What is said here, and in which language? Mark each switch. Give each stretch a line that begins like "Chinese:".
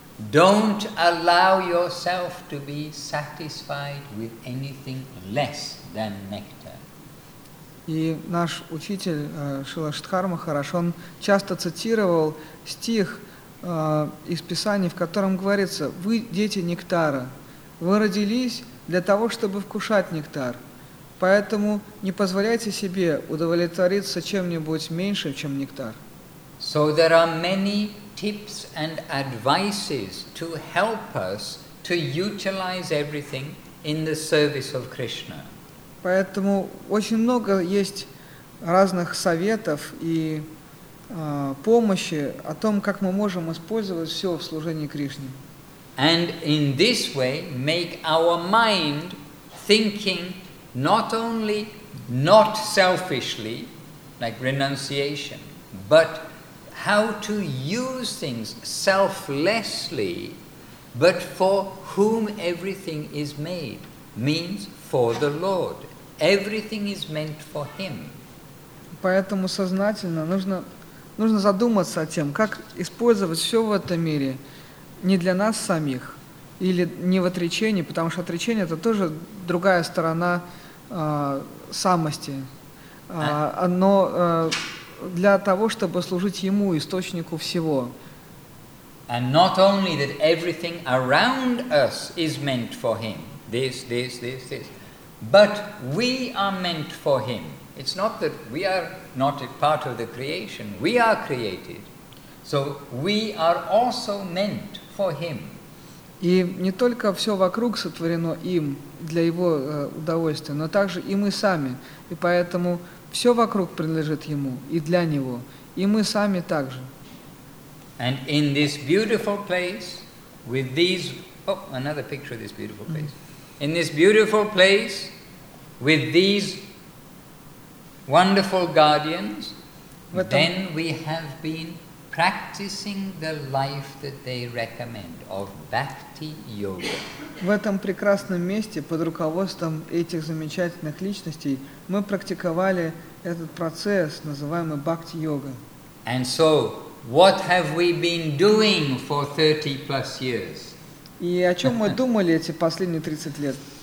English: Don't allow yourself to be satisfied with anything less than nectar.
Russian: И наш учитель Шрила Шридхара Махарадж, он часто цитировал стих из Писаний, в котором говорится: «Вы дети нектара, вы родились для того, чтобы вкушать нектар, поэтому не позволяйте себе удовлетвориться чем-нибудь меньше, чем нектар».
English: So there are many tips and advices to help us to utilize everything in the service of Krishna.
Russian: Поэтому очень много есть разных советов и помощи о том, как мы можем использовать все в служении Кришне.
English: And in this way make our mind thinking not only not selfishly, like renunciation, but how to use things selflessly, but for whom everything is made, means for the Lord. Everything is meant for Him.
Russian: Поэтому сознательно нужно задуматься о том, как использовать все в этом мире не для нас самих или не в отречении, потому что отречение это тоже другая сторона самости, но для того, чтобы служить Ему, источнику всего.
English: And not only that everything around us is meant for Him, this, but we are meant for Him. It's not that we are not a part of the creation, we are created. So we are also meant for Him.
Russian: И не только все вокруг сотворено им для его удовольствия, но также и мы сами. И поэтому все вокруг принадлежит ему и для него, и мы сами также.
English: And in this beautiful place, with these, oh, another picture of this beautiful place. In this beautiful place, with these wonderful guardians, then we have been practicing the life that they recommend of bhakti yoga.
Russian: В этом прекрасном месте под руководством этих замечательных личностей мы практиковали этот процесс, называемый бхакти йога.
English: And so, what have we been doing for 30 plus years?
Russian: И о чём мы думали эти последние 30 лет?